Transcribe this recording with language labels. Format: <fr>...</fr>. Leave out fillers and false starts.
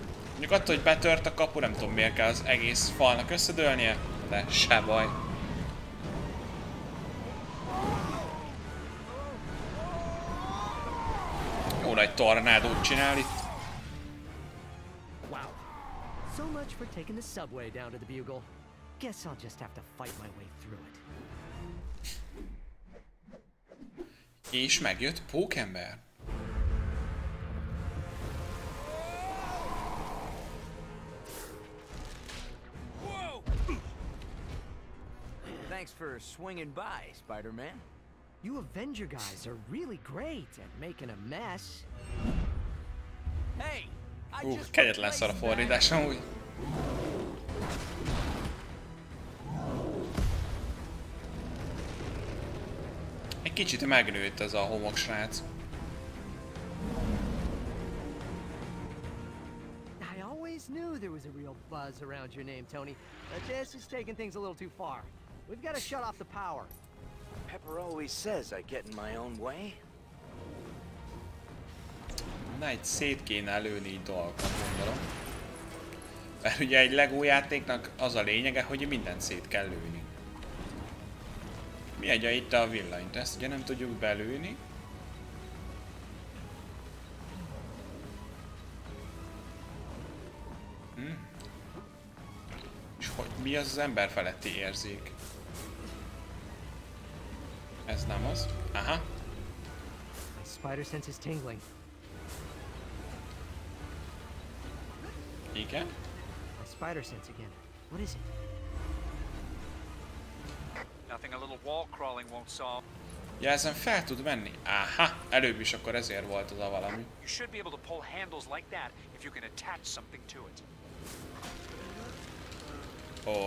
<hu>Mondjuk attól, hogy betört a kapu, nem tudom miért kell az egész falnak összedőlnie, de se baj. Jó nagy tornádót csinál itt.</hu> <en>Wow. So much for taking the subway down to the Bugle. Guess I'll just have to fight my way through it.</en> <hu>És megjött Pókember.</hu> <en>Thanks for swinging by, Spider-Man. You Avenger guys are really great at making a mess. Hey, I just</en> <hu>kegyetlen szar a fordítás amúgy. Egy kicsit megnőtt ez a homoksrác.</hu> <en>I always knew there was a real buzz around your name, Tony. But this is taking things a little too far. We've got to shut off the power. Pepper always says I get in my own way.</en> <hu>Na, itt szét kéne lőni így dolgokat, gondolom. Mert ugye egy LEGO játéknak az a lényege, hogy mindent szét kell lőni. Mi adja itt a villanyt? Ezt ugye nem tudjuk belőni. Hm. És hogy mi az az ember feletti érzék? Ez nem az. Aha.</hu> <en>My spider sense is tingling.</en> <hu>Igen.</hu> <en>My spider sense again. What is it? Nothing a little wall crawling won't solve.</en> <hu>Ja, ezen fel tud menni. Aha, előbb is akkor ezért volt az a valami.</hu> <en>You should be able to pull handles like that if you can attach something to it.</en>